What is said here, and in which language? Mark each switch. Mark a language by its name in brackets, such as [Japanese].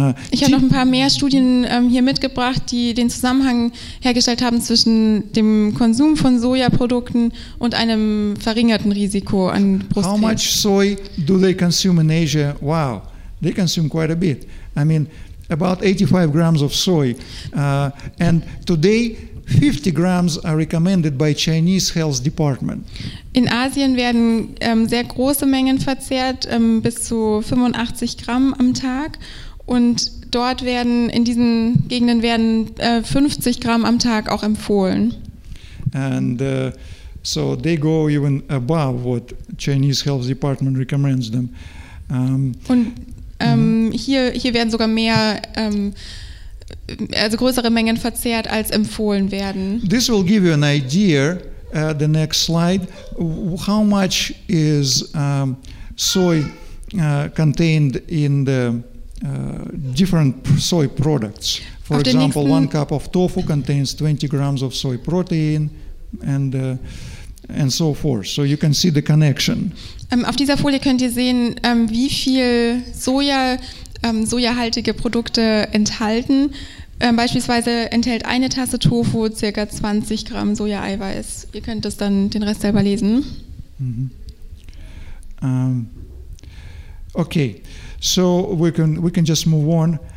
[German] Ich habe noch ein paar mehr Studien hier mitgebracht, die den Zusammenhang hergestellt haben zwischen dem Konsum von Sojaprodukten und einem verringerten Risiko an Brustkrebs. [English] How much soy do they consume in Asia? Wow. They consume quite a bit. I mean, about 85 grams of soy. And today, 50 grams are recommended by Chinese Health Department. [German] In Asien werden sehr große Mengen verzehrt, bis zu 85 Gramm am Tag. Und dort werden, in diesen Gegenden werden 50 Gramm am Tag auch empfohlen. [English] And so they go even above what Chinese Health Department recommends them. [German] Hier werden sogar mehr, also größere Mengen verzehrt, als empfohlen werden. [English] This will give you an idea, the next slide, how much is soy contained in the different soy products. For example, one cup of tofu contains 20 grams of soy protein and so forth. So you can see the connection. [German] Auf dieser Folie könnt ihr sehen, wie viel Soja, sojahaltige Produkte enthalten. Beispielsweise enthält eine Tasse Tofu ca. 20 Gramm Sojaeiweiß. Ihr könnt das dann den Rest selber lesen. Mm-hmm. [English] Okay, so we can just move on.